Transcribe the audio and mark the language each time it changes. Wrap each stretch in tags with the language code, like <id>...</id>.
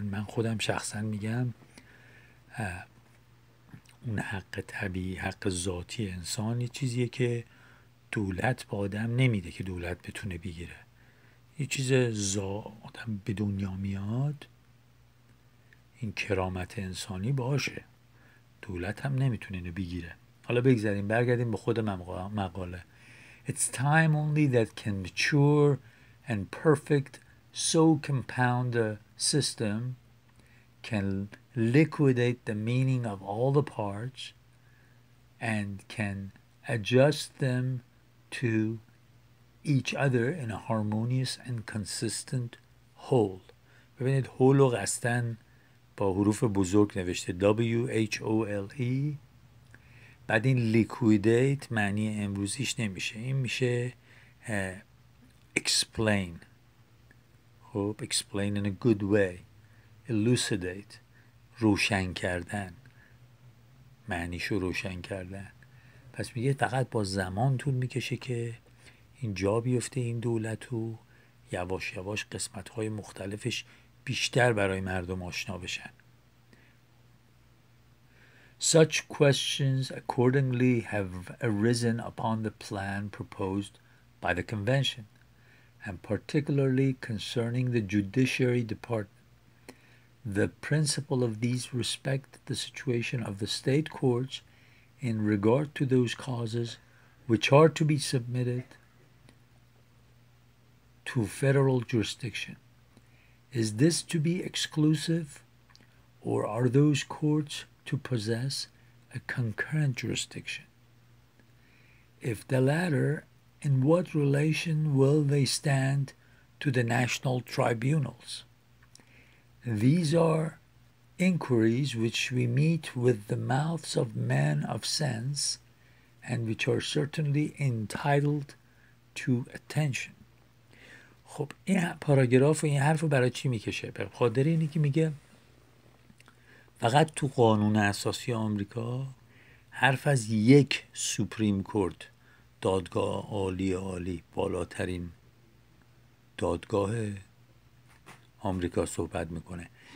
<fa>من خودم شخصا میگم اون حق طبیعی، حق ذاتی انسان یه چیزیه که دولت با آدم نمیده که دولت بتونه بگیره. یه چیز آدم به دنیا میاد، این کرامت انسانی باشه، دولت هم نمیتونه اینو بگیره. حالا بگذاریم، برگردیم به خود مقاله.</fa> <en>It's time only that can mature and perfect so compound a system can liquidate the meaning of all the parts and can adjust them to each other in a harmonious and consistent whole.</en> <fa>ببینید هول رو قصدن با حروف بزرگ نوشته، WHOLE. بعد این liquidate معنی امروزیش نمیشه، این میشه explain. خب</fa> <en>explain in a good way. Elucidate</en> <fa>روشن کردن، معنیش رو روشن کردن. پس میگه فقط با زمان طول میکشه که اینجا بیفته این دولت و یواش یواش قسمت‌های مختلفش بیشتر برای مردم آشنا بشن.</fa> <en>Such questions accordingly have arisen upon the plan proposed by the convention and particularly concerning the judiciary department. The principle of these respect the situation of the state courts in regard to those causes which are to be submitted to federal jurisdiction. Is this to be exclusive, or are those courts to possess a concurrent jurisdiction? If the latter, in what relation will they stand to the national tribunals? These are inquiries which we meet with the mouths of men of sense and which are certainly entitled to attention.</en> <fa>خب این پاراگراف و این حرف رو برای چی میکشه؟ به خاطر اینه که میگه فقط تو قانون اساسی آمریکا حرف از یک سوپریم کورت، دادگاه عالی عالی، بالاترین دادگاه آمریکا صحبت میکنه.</fa>